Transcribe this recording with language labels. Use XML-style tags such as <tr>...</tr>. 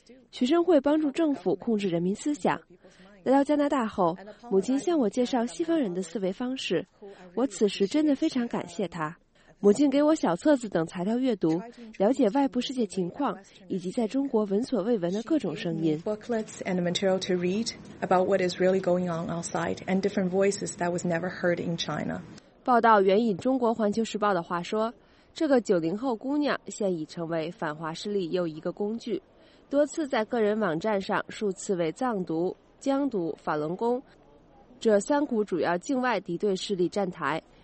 <zh>学生会帮助政府控制人民思想。来到加拿大后，母亲向我介绍西方人的思维方式，我此时真的非常感谢她。母亲给我小册子等材料阅读，了解外部世界情况以及在中国闻所未闻的各种声音。</zh> <en>Booklets and material to read about what is really going on outside and different voices that was never heard in China.</en> <zh>报道援引中国环球时报的话说，这个90后姑娘现已成为反华势力又一个工具，多次在个人网站上数次为藏独、疆独、法轮功这三股主要境外敌对势力站台。</zh>